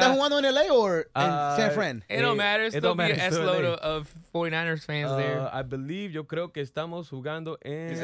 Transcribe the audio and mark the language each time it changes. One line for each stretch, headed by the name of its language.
Spanish: ¿Están jugando en LA or in San Fran?
English: It don't matter. Still be an S-load of 49ers fans there. I believe,
Spanish: yo creo que estamos jugando en